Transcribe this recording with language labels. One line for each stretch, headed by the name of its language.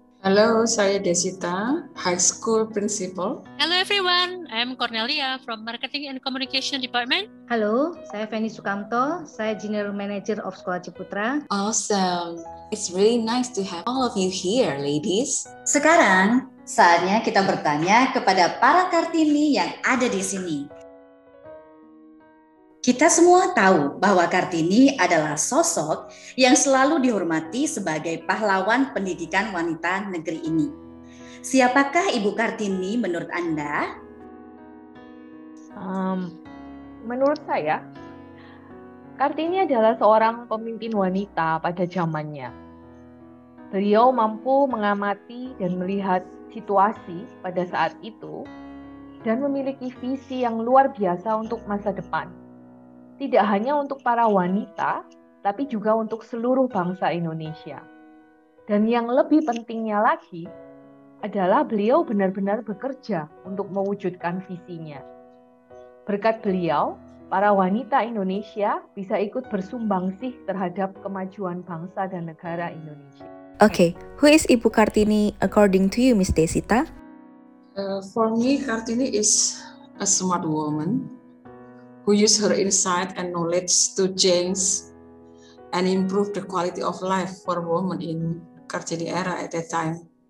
English: Hello, saya Desita, high school principal. Hello everyone, I'm Cornelia from Marketing and Communication Department. Hello, saya Fanny Sukamto, saya General Manager of Sekolah Ciputra. Awesome, it's really nice to have all of you here, ladies.
Indonesian: Sekarang, saatnya kita bertanya kepada para Kartini yang ada di sini. Kita semua tahu bahwa Kartini adalah sosok yang selalu dihormati sebagai pahlawan pendidikan wanita negeri ini. Siapakah Ibu Kartini menurut Anda? Menurut saya, Kartini adalah seorang pemimpin wanita pada zamannya. Beliau mampu mengamati dan melihat situasi pada saat itu dan memiliki visi yang luar biasa untuk masa depan. Tidak hanya untuk para wanita, tapi juga untuk seluruh bangsa Indonesia. Dan yang lebih pentingnya lagi adalah beliau benar-benar bekerja untuk mewujudkan visinya. Berkat beliau, para wanita Indonesia bisa ikut bersumbangsih terhadap kemajuan bangsa dan negara Indonesia.
English: Okay, who is Ibu Kartini according to you, Miss Desita? For me, Kartini is a smart woman who use her insight and knowledge to change and improve the quality of life for women in Kartini era at that time.